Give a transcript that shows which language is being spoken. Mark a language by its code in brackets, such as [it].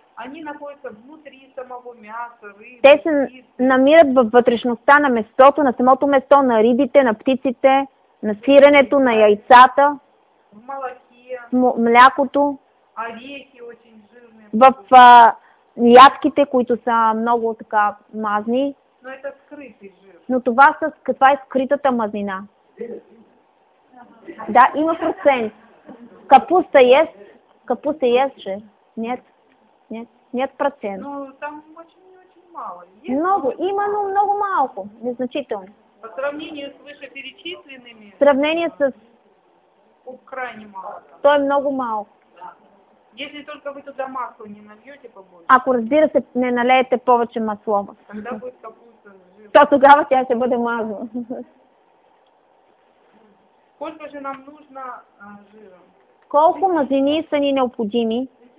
[ru] Они находятся внутри самого мяса, рыбы. [bg] Те се намират във вътрешността на месото, на самото месо, на рибите, на птиците, на сиренето, на яйцата, [ru] в молоке, [bg] в млякото, [ru] орехи очень жирные, [bg] в ядките, които са много така мазни. [ru] Но это скрытый жир. [bg] Но това са, каква е скритата мазнина? Да, има процент. [ru] Капуста ест? Капуста ест же? Нет. Нет процент. Но там очень-очень мало. Есть [bg] много. Има, но много малко. Незначително. [ru] По сравнению с вышеперечисленными? [bg] В сравнение с... [ru] крайне мало. [bg] То е много малко. [ru] Если только вы туда масло не нальете побольше. [bg] Ако, разбира се, не налеете повече масло. [ru] Тогда будет капуста жирная. [bg] То тогава тя ще бъде мазна. [ru] Сколько же нам нужно жира? [bg] Колко мазнини са ни необходими?